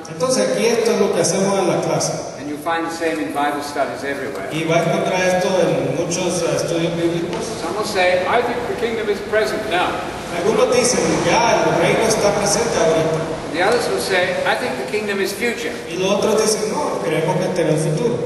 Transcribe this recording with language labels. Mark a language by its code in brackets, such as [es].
[es] Entonces aquí esto es lo que hacemos en la clase. [en] And you find the same in Bible studies everywhere. [es] Y va a encontrar esto en muchos estudios bíblicos. [en] Some will say, I think the kingdom is present now. [es] Algunos dicen ya el reino está presente ahorita. [en] The others will say, I think the kingdom is future. [es] Y los otros dicen no, creemos que está en el futuro.